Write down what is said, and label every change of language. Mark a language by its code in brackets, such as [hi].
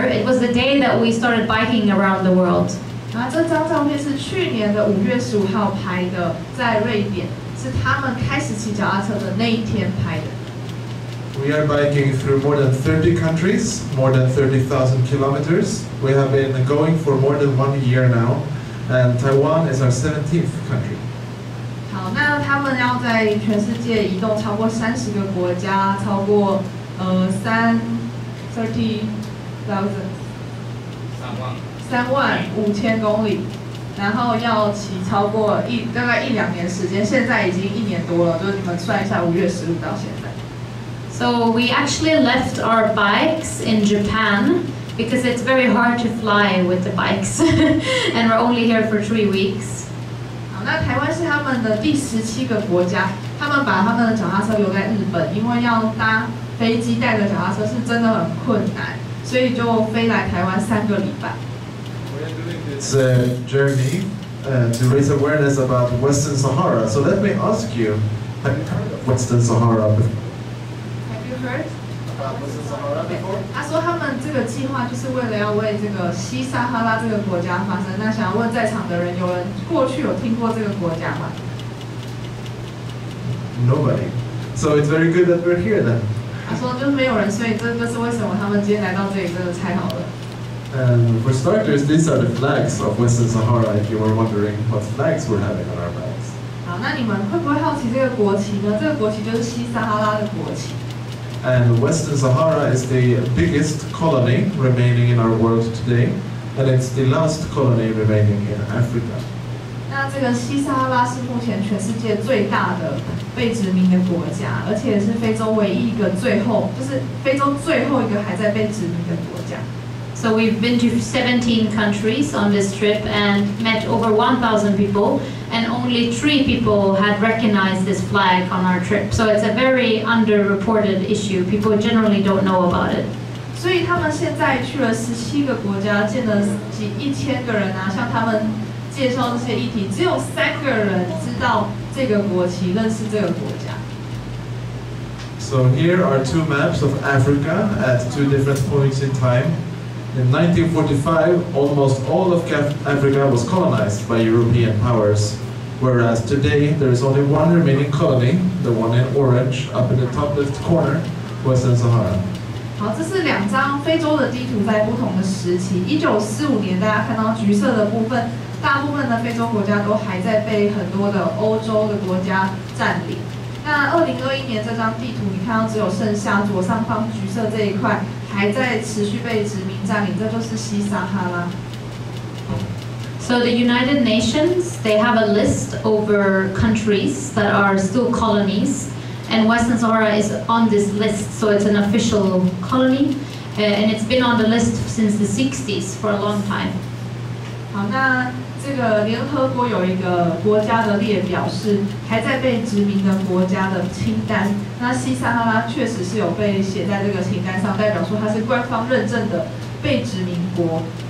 [en] It was the day that we started biking around the world. [zh] 这张照片是去年的5月15号拍的，在瑞典，是他们开始骑脚踏车的那一天拍的。 [en] We are biking through more than 30 countries, more than 30,000 kilometers. We have been going for more than 1 year now, and Taiwan is our 17th country. [zh] 那他们要在全世界移动超过30个国家，超过35,000公里，然后要骑超过大概一两年时间，现在已经一年多了，就是你们算一下5月15到现在。 [en] So we actually left our bikes in Japan because it's very hard to fly with the bikes and we're only here for 3 weeks. [zh] 那台湾是他们的第17个国家，他们把他们的脚踏车留在日本，因为要搭飞机带着脚踏车是真的很困难，所以就飞来台湾3个礼拜。 [en] It's a journey to raise awareness about Western Sahara. So let me ask you, have you heard of Western Sahara before? Have you heard about Western Sahara before? [zh] 他说他们这个计划就是为了要为这个西撒哈拉这个国家发声。那想问在场的人，有人过去有听过这个国家吗？ [en] Nobody. So it's very good that we're here then. [zh] 他说就是没有人，所以这就是为什么他们今天来到这里，真的太好了。 [en] For starters, these are the flags of Western Sahara. If you were wondering what flags we're having on our bikes. [zh] 好，那你们会不会好奇这个国旗呢？这个国旗就是西撒哈拉的国旗。 [en] And Western Sahara is the biggest colony remaining in our world today, and it's the last colony remaining in Africa. [zh] 那这个西撒哈拉是目前全世界最大的被殖民的国家，而且是非洲唯一一个最后，就是非洲最后一个还在被殖民的国家。 [en] So we've been to 17 countries on this trip and met over 1,000 people, and only 3 people had recognized this flag on our trip. So it's a very underreported issue. People generally don't know about it. [zh] 所以他们现在去了17个国家，见了几1000个人啊，向他们介绍这些议题，只有3个人知道这个国旗，认识这个国家。 [en] So here are 2 maps of Africa at 2 different points in time. In 1945, almost all of Africa was colonized by European powers, whereas today there is only one remaining colony, the one in orange, up in the top left corner, Western Sahara. [zh] 好，这是两张非洲的地图，在不同的时期。1945年，大家看到橘色的部分，大部分的非洲国家都还在被很多的欧洲的国家占领。那2021年这张地图，你看到只有剩下左上方橘色这一块还在持续被殖民占领，这就是西撒哈拉。 [en] So the United Nations, they have a list over countries that are still colonies, and Western Sahara is on this list, so it's an official colony, and it's been on the list since the 60s for a long time. [zh] 好，那这个联合国有一个国家的列表是还在被殖民的国家的清单，那西撒哈拉确实是有被写在这个清单上，代表说它是官方认证的被殖民国。